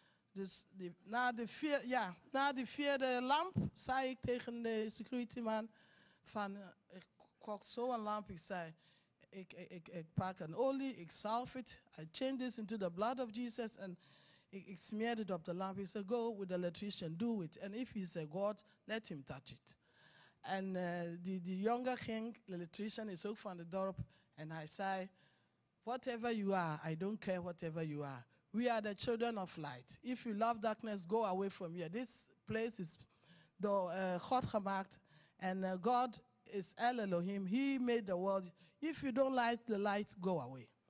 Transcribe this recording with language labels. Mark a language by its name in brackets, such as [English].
[Dutch] Dus na de vierde lamp zei ik tegen de security man van ik kocht zo'n lamp. Ik zei, ik pak een olie, ik salve het, [English] I change this into the blood of Jesus [Dutch] en ik smeer het op de lamp. Ik zei, [English] go with the electrician, do it. And if he's a god, let him touch it. [Dutch] En die jonge ging, de electrician is ook van de dorp en hij zei, [English] whatever you are, I don't care whatever you are. We are the children of light. If you love darkness, go away from here. This place is [Dutch] door God gemaakt. [English] And God is El Elohim. He made the world. If you don't like the light, go away.